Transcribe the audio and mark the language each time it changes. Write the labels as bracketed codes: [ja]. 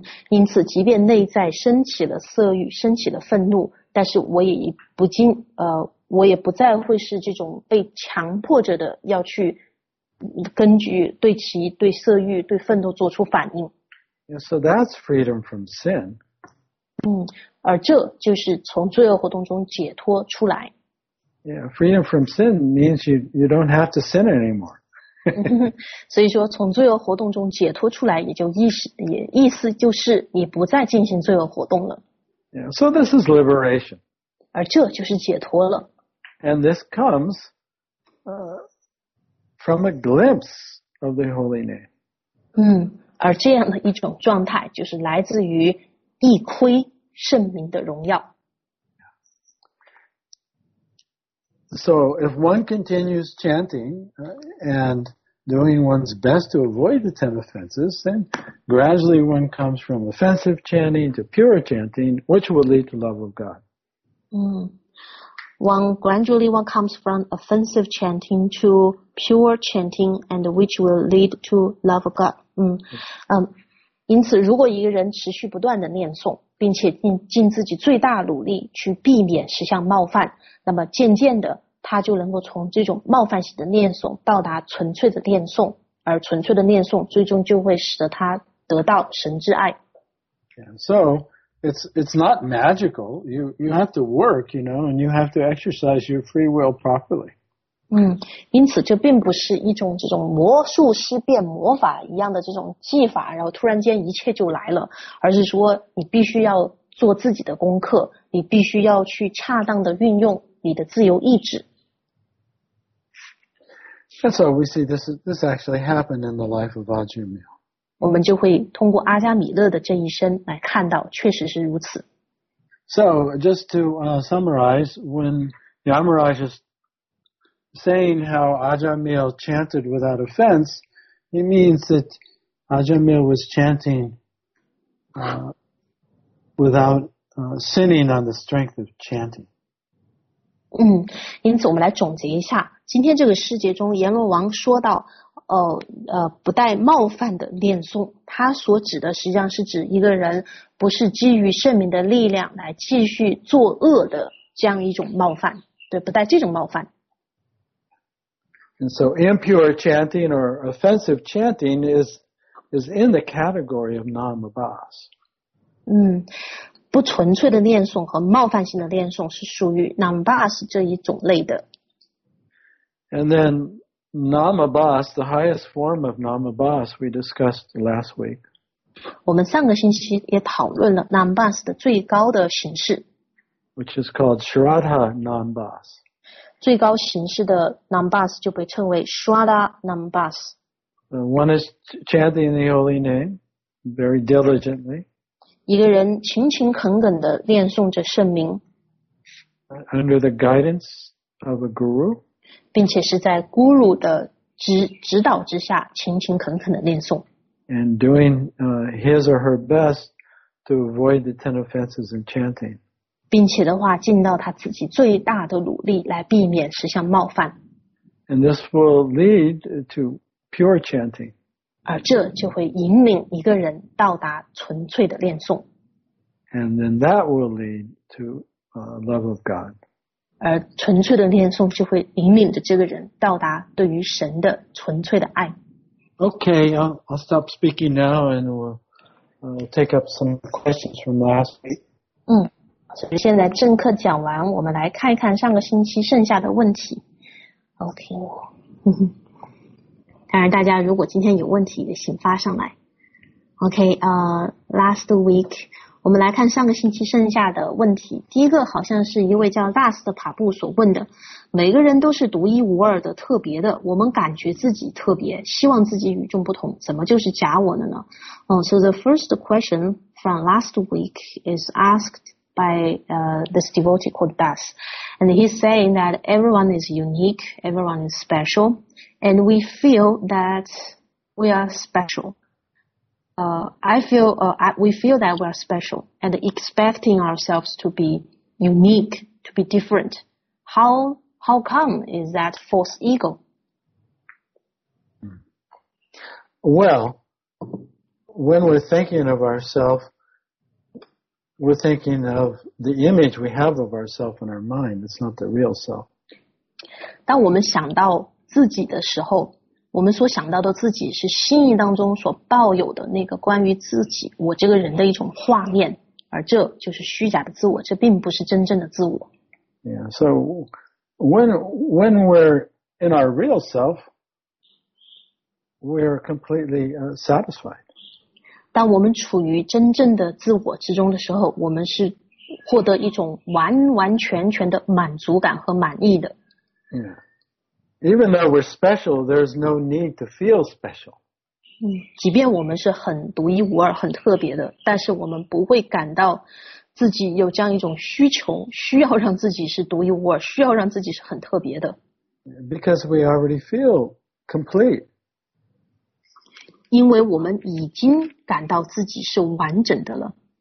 [zh] 因此即便内在升起了色欲，升起了愤怒，但是我也不禁我也不再会是这种被强迫着的要去根据对其对色欲对愤怒做出反应。 [en] Yeah, so that's freedom from sin. [zh] 而这就是从罪恶活动中解脱出来。 [en] Yeah, freedom from sin means you don't have to sin anymore. [zh] 所以说从罪恶活动中解脱出来也意思就是你不再进行罪恶活动了。 [en] Yeah, so this is liberation. [zh] 而这就是解脱了。 [en] And this comes from a glimpse of the holy name. [zh] 而这样的一种状态就是来自于一窥圣名的荣耀。 [en] So if one continues chanting and doing one's best to avoid the 10 offenses, then gradually one comes from offensive chanting to pure chanting, which will lead to love of God. One gradually comes from offensive chanting to pure chanting, and which will lead to love of God. [zh] 因此如果一个人持续不断的念诵并且尽自己最大努力去避免十项冒犯，那么渐渐的他就能够从这种冒犯型的念诵到达纯粹的念诵，而纯粹的念诵最终就会使得他得到神之爱。 [en] And so, it's not magical. You have to work, you know, and you have to exercise your free will properly. [zh] 因此这并不是一种这种魔术师变魔法一样的这种技法，然后突然间一切就来了，而是说你必须要做自己的功课，你必须要去恰当的运用你的自由意志。 [en] And so we see this actually happened in the life of Ajahn Mill. [zh] 我们就会通过阿加米勒的这一生来看到确实是如此。 [en] So just to summarize, when Yamaraj is saying how Ajahn Mill chanted without offense, it means that Ajahn Mill was chanting without sinning on the strength of chanting. [zh] 因此我们来总结一下，今天这个师节中阎罗王说到不带冒犯的念诵，他所指的实际上是指一个人不是基于圣名的力量来继续作恶的这样一种冒犯，对，不带这种冒犯。 [en] And so impure chanting or offensive chanting is in the category of namabhas. [zh] 不纯粹的念诵和冒犯性的念诵是属于 namabhas 这一种类的。 [en] And then namabhas, the highest form of namabhas, we discussed last week. [zh] 我们上个星期也讨论了 namabhas 的最高的形式。 [en] Which is called shraddha namabhas. [zh] 最高形式的 namabhas 就被称为 shraddha namabhas. [en] One is chanting the holy name very diligently. [zh] 一个人勤勤恳恳地念诵着圣名 [en] ，under the guidance of a guru， [zh] 并且是在 guru 的指导之下勤勤恳恳地念诵 [en] ，and doing his or her best to avoid the 10 offenses in chanting， [zh] 并且的话尽到他自己最大的努力来避免十项冒犯 [en] ，and this will lead to pure chanting。 [zh] 而这就会引领一个人到达纯粹的念诵。 [en] And then that will lead to love of God. [zh] 而纯粹的念诵就会引领着这个人到达对于神的纯粹的爱。 [en] Okay, I'll stop speaking now and we'll take up some questions from last week. [zh] 所以现在正课讲完，我们来看一看上个星期剩下的问题。 Okay. 当然大家如果今天有问题也请发上来。 [en] Last week, [zh] 我们来看上个星期剩下的问题。第一个好像是一位叫 Last 的帕布所问的。每个人都是独一无二的特别的，我们感觉自己特别，希望自己与众不同，怎么就是假我的呢？ [en] So the first question from last week is asked by this devotee called Das. And he's saying that everyone is unique, everyone is special. And we feel that we are special. We feel that we are special and expecting ourselves to be unique, to be different. how come is that false ego? Well, when we're thinking of ourselves, we're thinking of the image we have of ourselves in our mind. It's not the real self. [zh] 当我们想到自己的时候，我们所想到的自己是心意当中所抱有的那个关于自己，我这个人的一种画面，而这就是虚假的自我，这并不是真正的自我。 [en] Yeah, so when we're in our real self, we're completely satisfied. [zh] 当我们处于真正的自我之中的时候，我们是获得一种完完全全的满足感和满意的。 [en] Yeah. Even though we're special, there's no need to feel special. [zh] 即便我们是很独一无二、很特别的，但是我们不会感到自己有这样一种需求，需要让自己是独一无二，需要让自己是很特别的。 [en] Because we already feel complete. [zh] 因为我们已经感到自己是完整的了。